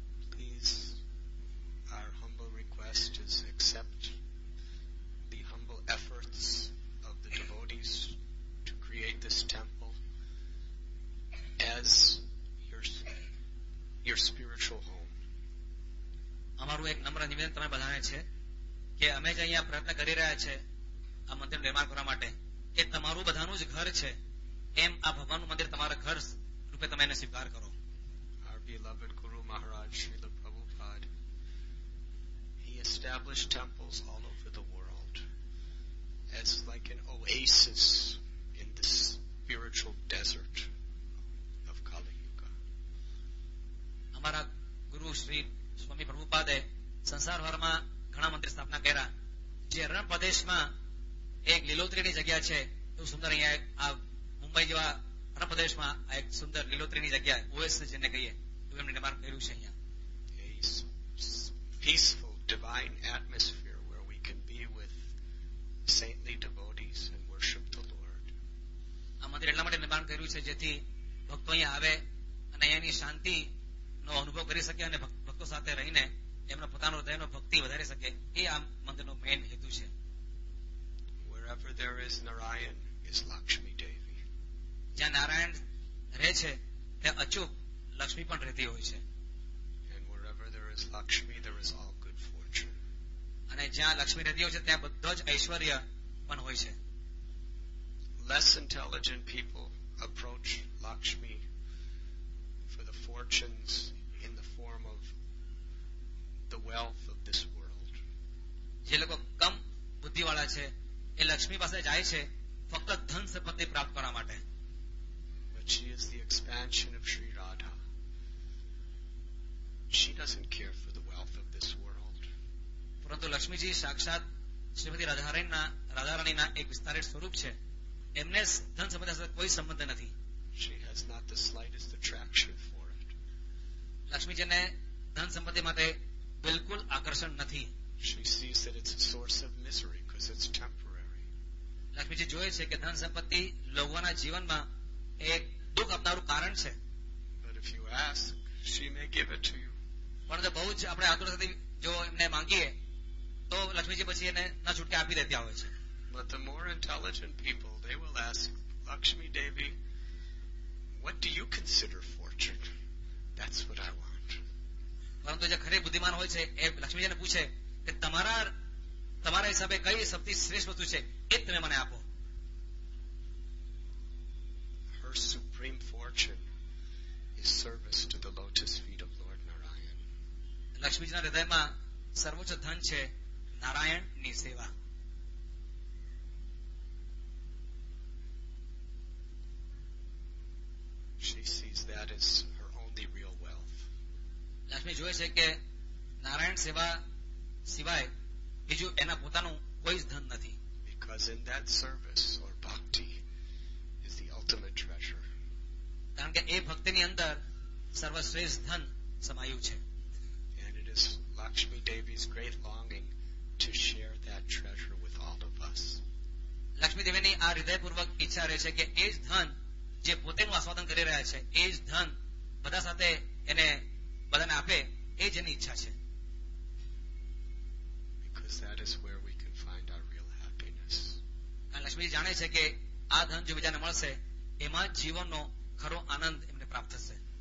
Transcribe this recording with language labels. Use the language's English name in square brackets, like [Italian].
[English] Please, our humble request is accept the humble efforts of the devotees to create this temple as your spiritual home. [Gujarati] અમારું એક નમ્ર નિવેદન તમે બધાને છે કે અમે જે અહીંયા પ્રયત્ન કરી રહ્યા છે આ મંદિર નિર્માણ કરવા માટે એ તમારું બધાનું જ ઘર છે એમ આ ભગવાનનું મંદિર તમારા ઘર રૂપે તમે એને સ્વીકાર કરો. [English] Our beloved Guru Maharaj Srila Prabhupada, he established temples all over the world as like an oasis in this spiritual desert. [Gujarati] અમારા ગુરુ શ્રી સ્વામી પ્રભુપાદે સંસારભરમાં ઘણા મંદિર સ્થાપના કર્યા જે રણ પ્રદેશમાં એક લીલોત્રીની જગ્યા છે એવું સુંદર અહીંયા આ મુંબઈ જેવા રણ પ્રદેશમાં આ એક સુંદર લીલોત્રીની જગ્યા ઓએસ જેને કહીએ એવું એમને નિર્માણ કર્યું છે. અહીંયા [English] Peaceful divine atmosphere where we can be with saintly devotees and worship the Lord. [Gujarati] આ મંદિર એટલા માટે નિર્માણ કર્યું છે જેથી ભક્તો અહીંયા આવે અને અહીંયાની શાંતિ નો અનુભવ કરી શકે અને ભક્તો સાથે રહીને એમનો પોતાનો હૃદયનો ભક્તિ વધારી શકે એ આ મંદિરનો મેઇન હેતુ છે. [English] Wherever there is Narayan is Lakshmi Devi. [Gujarati] જ્યાં નારાયણ રહે છે ત્યાં અચૂક લક્ષ્મી પણ રહેતી હોય છે. [English] And wherever there is Lakshmi, there is all good fortune. [Gujarati] અને જ્યાં લક્ષ્મી રહેતી હોય છે ત્યાં બધો જ ઐશ્વર્ય પણ હોય છે. [English] Less intelligent people approach Lakshmi for the fortunes in the form of the wealth of this world. [Gujarati] જે લોકો કમ બુદ્ધિવાળા છે એ લક્ષ્મી પાસે જાય છે ફક્ત ધન સંપત્તિ પ્રાપ્ત કરવા માટે. [English] but she is the expansion of Sri Radha. She doesn't care for the wealth of this world. [Gujarati] પરંતુ લક્ષ્મીજી સાક્ષાત શ્રીમતી રાધારાણીના એક વિસ્તારિત સ્વરૂપ છે. એમને ધન સંપદા સાથે કોઈ સંબંધ નથી. [English] She has not the slightest attraction for it. [Gujarati] લક્ષ્મીજીને ધન સંપત્તિ માટે બિલકુલ આકર્ષણ નથી. [English] She sees that it's a source of misery because it's temporary. [Gujarati] Lakshmiji જોયે છે કે ધન સંપત્તિ લોકોના જીવનમાં એક દુઃખ આપનારું કારણ છે. [English] But if you ask, she may give it to you. [Gujarati] પરંતુ બહુ જ આપણે આતુરતાથી જો એમને માંગીએ તો લક્ષ્મીજી પછી એને ન છૂટકે આપી દેતા હોય છે. [English] But the more intelligent people, they will ask, Lakshmi Devi, what do you consider fortune? That's what I want. [Gujarati] પરંતુ જે ખરે બુદ્ધિમાન હોય છે એ લક્ષ્મીજીને પૂછે કે તમારા હિસાબે કઈ સૌથી શ્રેષ્ઠ વસ્તુ છે એ તમે મને આપો. [English] Her supreme fortune is service to the lotus feet of Lord Narayan. [Gujarati] લક્ષ્મીજીના હૃદયમાં સર્વોચ્ચ ધન છે નારાયણની સેવા. [English] She sees that as her only real wealth. [Gujarati] Lakshmi જોયે છે કે નારાયણ સેવા સિવાય બીજું એના પોતાનું કોઈ જ ધન નથી. [English] Because in that service or bhakti is the ultimate treasure. [Gujarati] કારણ કે એ ભક્તિની અંદર સર્વશ્રેષ્ઠ ધન સમાયું છે. [English] And it is Lakshmi Devi's great longing to share that treasure with all of us. [Gujarati] Lakshmi દેવીની આ હૃદયપૂર્વક ઈચ્છા રહે છે કે એ જ ધન જે પોતેનું આસ્વાદન કરી રહ્યા છે એ જ ધન બધા સાથે એને બધાને આપે એ જ એની ઈચ્છા છે. [English] Because that is where we can find our real happiness. [Gujarati] Lakshmiji જાણે છે કે આ ધન જો બીજાને મળશે એમાં જીવનનો ખરો આનંદ એમને પ્રાપ્ત થશે.